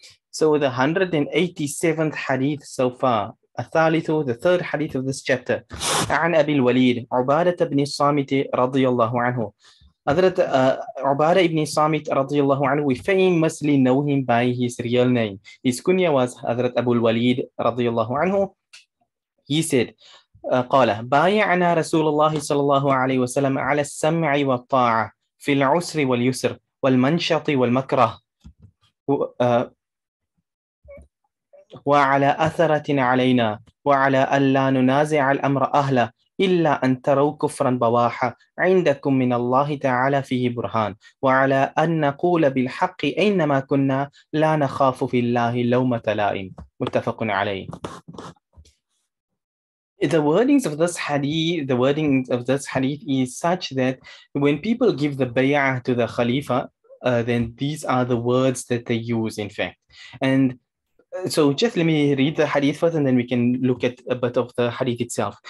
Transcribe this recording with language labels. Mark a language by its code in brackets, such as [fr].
[en] So the 187th hadith so far, الثالثو, the third hadith of this chapter, [ar] عن أبي الوليد عبادة بن الصامت رضي الله عنه. [en] حضرت عبادة بن الصامت [ar] رضي الله عنه, [en] we famously know him by his real name. His kunya was حضرت أبو الوليد رضي الله عنه. He said, [ar] قال بايعنا رسول الله صلى الله عليه وسلم على السمع والطاعة في العسر واليسر والمنشط والمكره وعلى أثرة علينا وعلى ألا ننازع الأمر أهله إلا أن تروا كفرا بواحا عندكم من الله تعالى فيه برهان وعلى أن نقول بالحق أينما كنا لا نخاف في الله لومة لائم متفق عليه. [en] The wording of this hadith is such that when people give the bay'ah to the Khalifa, then these are the words that they use, in fact. And so just let me read the hadith first, and then we can look at a bit of the hadith itself.